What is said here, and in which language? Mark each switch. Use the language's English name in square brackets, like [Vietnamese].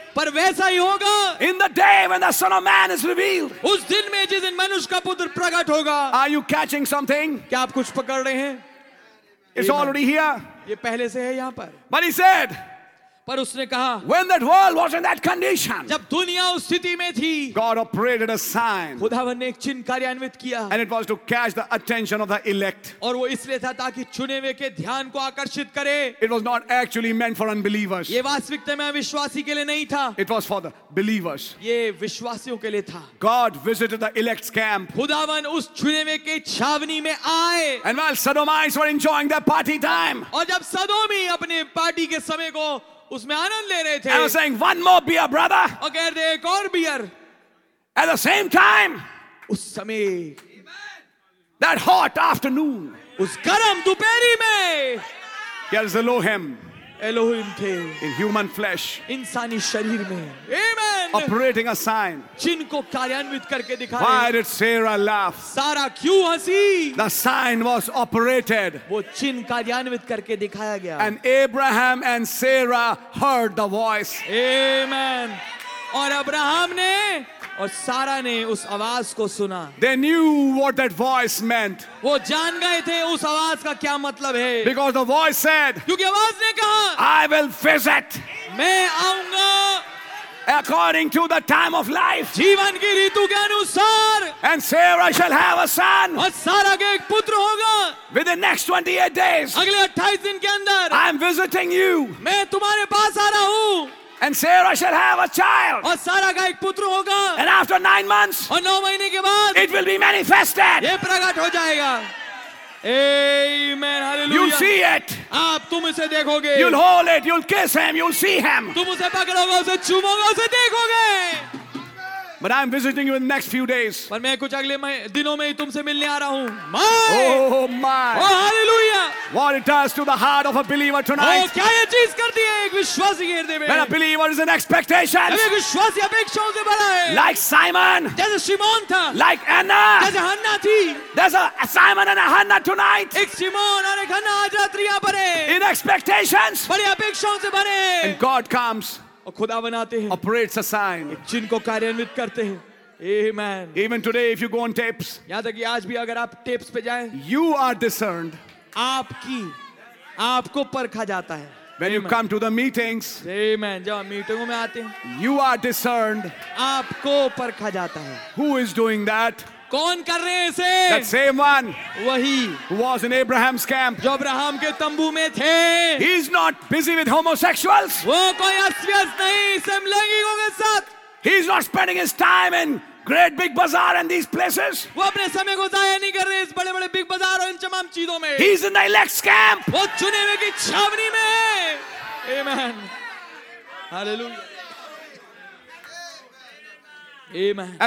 [Hindi] Par waisa hi hoga. [English] In the day when the Son of Man is revealed. [Hindi] Us din mein jis din manush ka putra prakat hoga. [English] Are you catching something? [Hindi] Kya aap kuch pakad rahe hain? [English] It's already here. [Hindi] Ye pehle se hai yahan par. [English] But he said. [Hindi] पर उसने कहा. [English] When that world was in that condition. [Hindi] जब दुनिया उस स्थिति में थी. [English] God operated a sign. [Hindi] खुदावन ने एक चिन्ह कार्यान्वित किया. [English] And it was to catch the attention of the elect. [Hindi] और वो इसलिए था ताकि चुने हुए के ध्यान को आकर्षित करे. [English] It was not actually meant for unbelievers. [Hindi] ये वास्तविकता में अविश्वासी के लिए नहीं था. [English] It was for the believers. [Hindi] ये विश्वासियों के लिए था. [English] God visited the elect's camp. [Hindi] खुदावन उस चुने हुए के छावनी में आए. [English] And while Sodomites were enjoying their party time. [Hindi] और जब सदोमी अपने पार्टी के समय को उसमें आनंद ले रहे थे. [English] I was saying one more beer, brother. [Hindi] और कह रहे एक और beer. [English] At the same time. [Hindi] उस समय. [English] That hot afternoon. [Hindi] उस गर्म दोपहरी में. [English] Here's Elohim. [Hindi] Elohim थे [English] in human flesh [Hindi] इंसानी शरीर में [English] amen operating a sign [Hindi] चिन्ह को कार्यान्वित करके दिखा [English] why did Sarah laugh [Hindi] सारा क्यों हंसी [English] the sign was operated [Hindi] वो चिन्ह कार्यान्वित करके दिखाया गया [English] and Abraham and Sarah heard the voice [Hindi] amen और अब्राहम ने और सारा ने उस आवाज को सुना [English] they knew what that voice meant [Hindi] वो जान गए थे उस आवाज का क्या मतलब है [English] because the voice said [Hindi] क्योंकि आवाज ने कहा [English] I will visit [Hindi] मैं आऊंगा [English] according to the time of life [Hindi] जीवन की ऋतु के अनुसार [English] and Sarah shall have a son [Hindi] और सारा के एक पुत्र होगा [English] within next 28 days [Hindi] अगले 28 दिन के अंदर [English] I am visiting you [Hindi] मैं तुम्हारे पास आ रहा हूं [English] And Sarah shall have a child. [Hindi] और सारा का एक पुत्र होगा. [English] And after 9 months, [Hindi] और 9 महीने के बाद, [English] it will be manifested. [Hindi] ये प्रकट हो जाएगा. Amen. Hallelujah. [English] You see it. [Hindi] आप तुम इसे देखोगे. [English] You'll hold it. You'll kiss him. You'll see him. [Hindi] तुम उसे पकड़ोगे, उसे चूमोगे, उसे देखोगे. [English] But I'm visiting you in the next few days. [Hindi] पर मैं कुछ अगले दिनों में ही तुमसे मिलने आ रहा हूँ. [English] My. Oh my. Oh hallelujah. What it does to the heart of a believer tonight. [Hindi] Oh, क्या ये चीज करती है एक विश्वासी के हृदय में? [English] When a believer is in expectation. [Hindi] अब एक विश्वासी अपेक्षाओं से भरा है. [English] Like Simon. [Hindi] जैसे शिमोन था. [English] Like Anna. [Hindi] जैसे हन्ना थी. [English] There's a Simon and a Hannah tonight. [Hindi] एक शिमोन और एक हन्ना आज रात्रि यहाँ पर है. [English] In expectations. [Hindi] बड़े अपेक्षाओं से भरे. [English] And God comes. [Hindi] खुदा बनाते हैं [English] operates a sign [Hindi] चिन्ह को कार्यान्वित करते हैं amen [English] even today if you go on tapes [Hindi] यहां तक कि आज भी अगर आप टेप्स पे जाएं [English] you are discerned [Hindi] आपकी आपको परखा जाता है [English] when you come to the meetings [Hindi] amen जब मीटिंगों में आते हैं [English] you are discerned [Hindi] आपको परखा जाता है [English] who is doing that [Hindi] कौन कर रहे हैं इसे [English] that same one [Hindi] वही [English] who was in Abraham's camp [Hindi] जो अब्राहम के तंबू में थे [English] he is not busy with homosexuals [Hindi] वो कोई अस्व्यस्त नहीं समलैंगिकों के साथ [English] he is not spending his time in great big bazaar and these places [Hindi] वो अपने समय को जाया नहीं कर रहे इस बड़े-बड़े big bazaar और इन तमाम चीजों में [English] he is in the elect's camp [Hindi] वो चुने हुए की छावनी में amen hallelujah amen